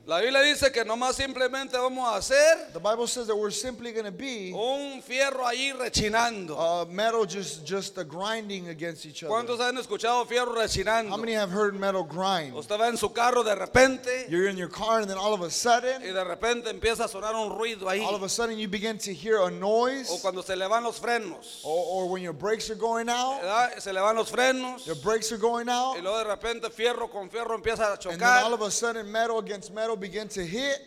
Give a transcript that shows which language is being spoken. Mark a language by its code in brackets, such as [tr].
[es] La Biblia dice que nomás simplemente vamos a hacer, [en] the Bible says that we're simply going to be, [es] un fierro ahí rechinando, [en] a metal just grinding against each other. [es] ¿Cuántos años escuchado fierro resinando? [en] How many have heard metal grind? [es] Estaba en su carro de repente. [en] You're in your car and then all of a sudden. [es] Y de repente empieza a sonar un ruido ahí. [en] All of a sudden you begin to hear a noise. [es] O cuando se le van los frenos. [en] Or when your brakes are going out. [es] Se le van los frenos. [en] Your brakes are going out. [es] Y luego de repente fierro con fierro empieza a chocar. [en] And then all of a sudden metal against metal begin to hit.